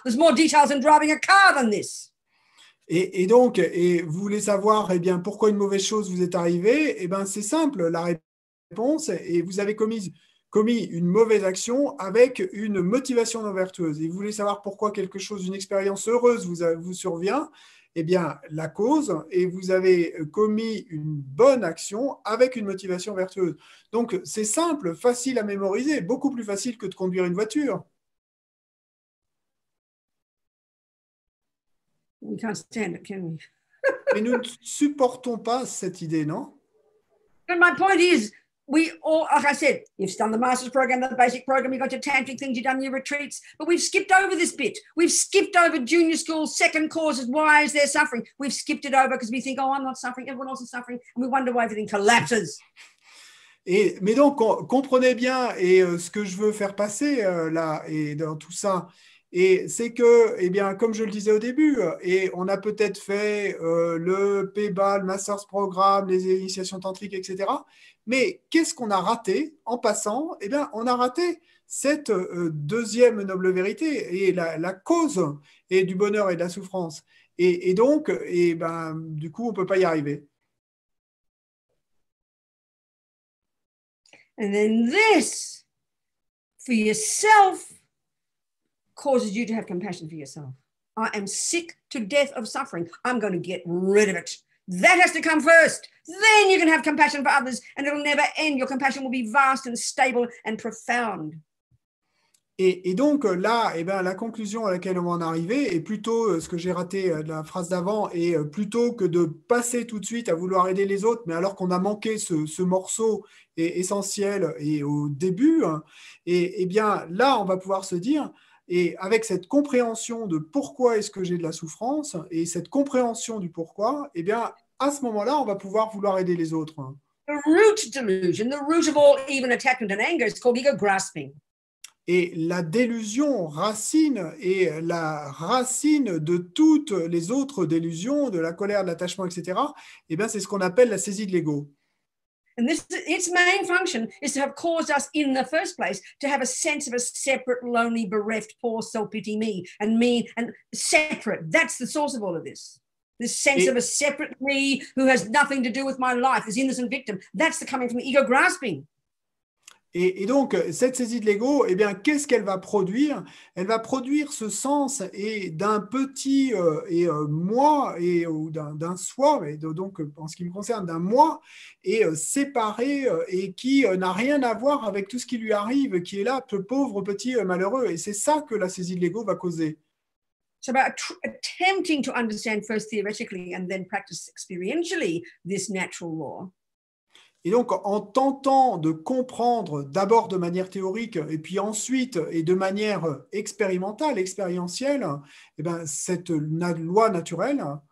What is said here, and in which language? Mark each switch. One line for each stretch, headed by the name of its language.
English: There's more details in driving a car than this.
French: Et vous voulez savoir eh bien, pourquoi une mauvaise chose vous est arrivée? Eh bien, c'est simple, la réponse, et vous avez commis une mauvaise action avec une motivation non vertueuse. Et vous voulez savoir pourquoi quelque chose, une expérience heureuse vous survient? Eh bien, la cause, et vous avez commis une bonne action avec une motivation vertueuse. Donc, c'est simple, facile à mémoriser, beaucoup plus facile que de conduire une voiture.
English: We can't stand it, can we?
French: Mais nous ne supportons pas cette idée, non?
English: My point is, we all, like I said, you've done the master's program, the basic program, you've got your tantric things, you've done your retreats, but we've skipped over this bit. We've skipped over junior school, second courses, why is there suffering? We've skipped it over because we think, oh, I'm not suffering, everyone else is suffering, and we wonder why everything collapses.
French: Et, mais donc, comprenez bien et, ce que je veux faire passer là et dans tout ça. Et c'est que, eh bien, comme je le disais au début, et on a peut-être fait le PEBA, le Master's Programme, les initiations tantriques, etc. Mais qu'est-ce qu'on a raté en passant? Eh bien, on a raté cette deuxième noble vérité et la cause et du bonheur et de la souffrance. Et donc, eh ben, du coup, on ne peut pas y arriver.
English: And then this, for yourself, causes you to have compassion for yourself. I am sick to death of suffering. I'm going to get rid of it. That has to come first. Then you can have compassion for others, and it'll never end. Your compassion will be vast and stable and profound.
French: Et donc là, eh ben, la conclusion à laquelle on va en arriver est plutôt ce que j'ai raté de la phrase d'avant, et plutôt que de passer tout de suite à vouloir aider les autres, mais alors qu'on a manqué ce morceau essentiel et au début, hein, et eh bien là, on va pouvoir se dire, et avec cette compréhension de pourquoi est-ce que j'ai de la souffrance, et cette compréhension du pourquoi, eh bien à ce moment-là, on va pouvoir vouloir aider les autres. Hein.
English: The root delusion, the root of all even attachment and anger, is called ego grasping.
French: Et la délusion racine et la racine de toutes les autres délusions, de la colère, de l'attachement, etc., eh bien, c'est ce qu'on appelle la saisie de l'ego.
English: And this, its main function is to have caused us in the first place to have a sense of a separate, lonely, bereft, poor, self-pity me and me and separate. That's the source of all of this. This sense of a separate me who has nothing to do with my life, this innocent victim, that's the coming from ego grasping.
French: Et donc, cette saisie de l'ego, eh bien, qu'est-ce qu'elle va produire? Elle va produire ce sens et d'un petit moi et d'un soi, et donc en ce qui me concerne, d'un moi et séparé et qui n'a rien à voir avec tout ce qui lui arrive, qui est là, ce pauvre petit malheureux. Et c'est ça que la saisie de l'ego va causer.
English: It's about attempting to understand first theoretically and then practice experientially this natural law.
French: Et donc, en tentant de comprendre d'abord de manière théorique et puis ensuite et de manière expérimentale, expérientielle, eh ben, cette loi naturelle,